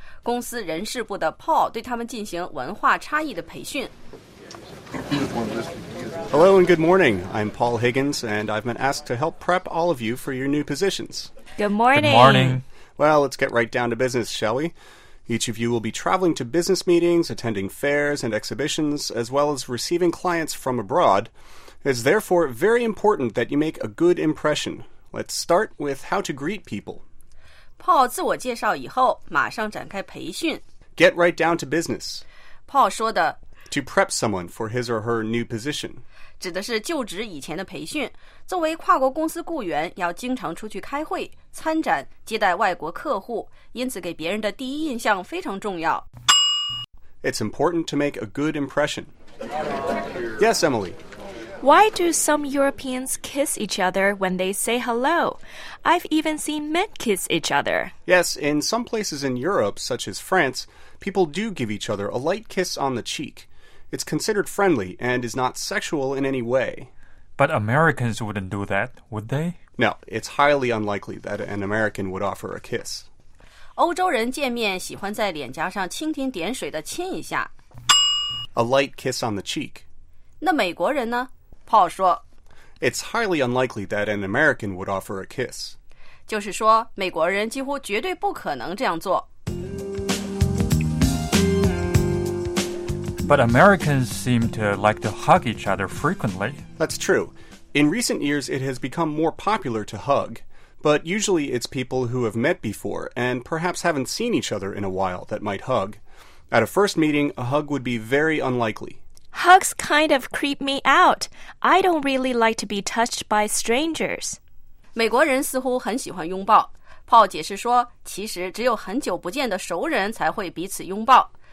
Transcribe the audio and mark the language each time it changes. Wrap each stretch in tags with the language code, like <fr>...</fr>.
<zh>公司人事部的 Paul 对他们进行文化差异的培训。</zh> <en>Hello and good morning. I'm Paul Higgins and I've been asked to help prep all of you for your new positions. Good morning. Good morning. Well, let's get right down to business, shall we? Each of you will be traveling to business meetings, attending fairs and exhibitions, as well as receiving clients from abroad. It's therefore very important that you make a good impression. Let's start with how to greet people.</en> <zh>Paul 自我介绍以后，马上展开培训。</zh> <en>Get right down to business.</en> <zh>Paul 说的</zh> <en>To prep someone for his or her new position.</en> <zh>指的是就职以前的培训。作为跨国公司雇员，要经常出去开会、参展、接待外国客户，因此给别人的第一印象非常重要。</zh> <en>It's important to make a good impression. Yes, Emily. Why do some Europeans kiss each other when they say hello? I've even seen men kiss each other. Yes, in some places in Europe, such as France, people do give each other a light kiss on the cheek. It's considered friendly and is not sexual in any way. But Americans wouldn't do that, would they? No, it's highly unlikely that an American would offer a kiss.</en> <zh>欧洲人见面喜欢在脸颊上蜻蜓点水地亲一下。</zh> <en>A light kiss on the cheek.</en> <zh>那美国人呢？Paul 说。</zh> <en>It's highly unlikely that an American would offer a kiss.</en> <zh>就是说，美国人几乎绝对不可能这样做。</zh> <en>But Americans seem to like to hug each other frequently. That's true. In recent years, it has become more popular to hug. But usually it's people who have met before and perhaps haven't seen each other in a while that might hug. At a first meeting, a hug would be very unlikely. Hugs kind of creep me out. I don't really like to be touched by strangers.</en> <zh>美国人似乎很喜欢拥抱。Paul 解释说，其实只有很久不见的熟人才会彼此拥抱。</zh>